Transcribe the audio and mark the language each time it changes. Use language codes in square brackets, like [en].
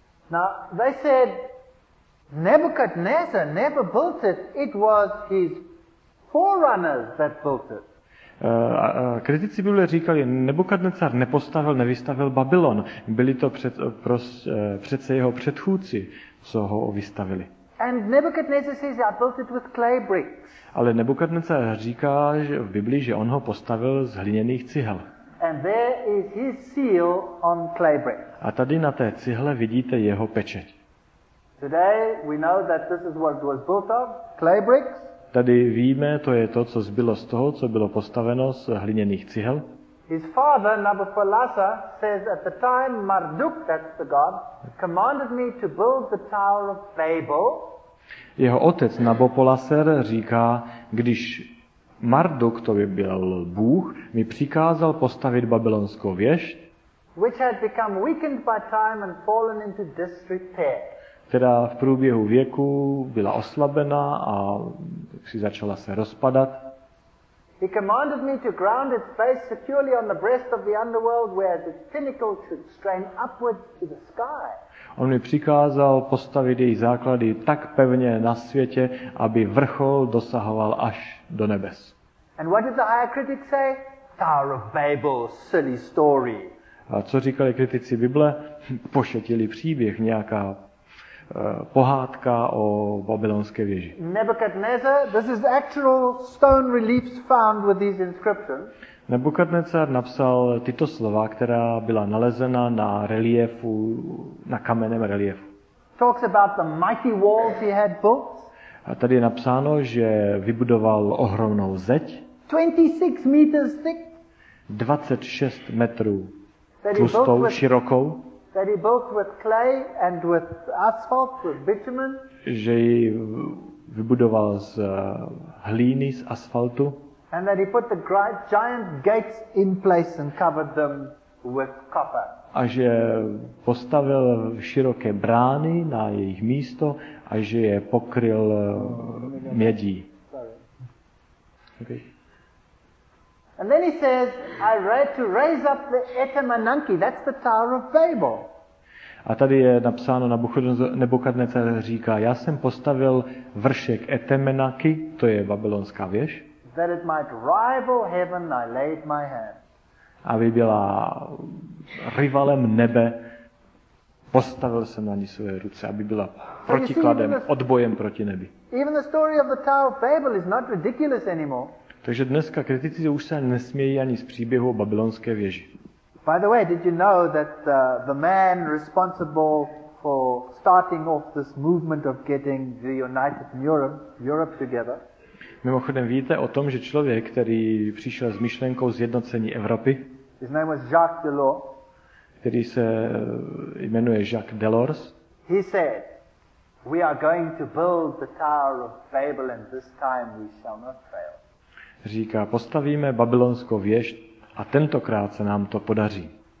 [en] Now, they said Nebuchadnezzar never built it. It was his forerunners that built it. [cs] Kritici Bible říkali, Nebukadnezar nepostavil, nevystavil Babylon. Byli to přece jeho předchůdci, co ho vystavili. [en] And Nebuchadnezzar says I built it with clay bricks. [cs] Ale Nebukadnezar říká, že v Biblii, že on ho postavil z hliněných cihel. [en] And there is his seal on clay bricks. [cs] A tady na té cihle vidíte jeho pečeť. [en] Today we know that this is what was built of, clay bricks. [cs] Tady víme, to je to, co zbylo z toho, co bylo postaveno z hliněných cihel. [en] His father Nabopolassar says at the time Marduk, that's the god, commanded me to build the tower of Babel. [cs] Jeho otec Nabopolassar říká, když Marduk, to by byl Bůh, mi přikázal postavit babylonskou věž, [en] which had become weakened by time and fallen into disrepair. [cs] Která v průběhu věku byla oslabena a si začala se rozpadat. [en] He commanded me to ground its base securely on the breast of the underworld where the pinnacle should strain upwards to the sky. [cs] On mi přikázal postavit její základy tak pevně na světě, aby vrchol dosahoval až do nebes. [en] And what did the higher critic say? Tower of Babel, silly story. [cs] A co říkali kritici Bible? Pošetilý příběh, nějaká pohádka o babylonské věži. [en] Nebuchadnezzar, this is actual stone reliefs found with these inscriptions. [cs] Nebukadnezar napsal tyto slova, která byla nalezena na reliefu, na kamenném reliefu. [en] Talks about the mighty walls he had built. [cs] A tady je napsáno, že vybudoval ohromnou zeď. [en] 26 meters thick. [cs] 26 metrů tlustou, širokou. [en] That he built with clay and with asphalt, with bitumen. [cs] Že ji vybudoval z hlíny, z asfaltu. [en] And that he put the giant gates in place and covered them with copper. [cs] A že postavil široké brány na jejich místo a že je pokryl mědí. [en] Okay. And then he says, I read to raise up the Etamananki, that's the Tower of Babel. [cs] A tady je napsáno, Nebukadnezar říká, já jsem postavil vršek Etemenaki, to je babylonská věž. [en] That it might rival heaven, I laid my hand. [cs] Aby byla rivalem nebe, postavil jsem na ní své ruce, aby byla protikladem, odbojem proti nebi. [en] Even the story of the Tower of Babel is not ridiculous anymore. [cs] Takže dneska kritici už se nesmějí ani z příběhu o babylonské věži. [en] By the way, did you know that the man responsible for starting off this movement of getting the united Europe together? [cs] Mimochodem víte o tom, že člověk, který přišel s myšlenkou zjednocení Evropy, [en] his name was Jacques Delors, [cs] který se jmenuje Jacques Delors, [en] he said, we are going to build the Tower of Babel and this time we shall not fail. [cs] Říká, postavíme babylonskou věž a tentokrát se nám to podaří.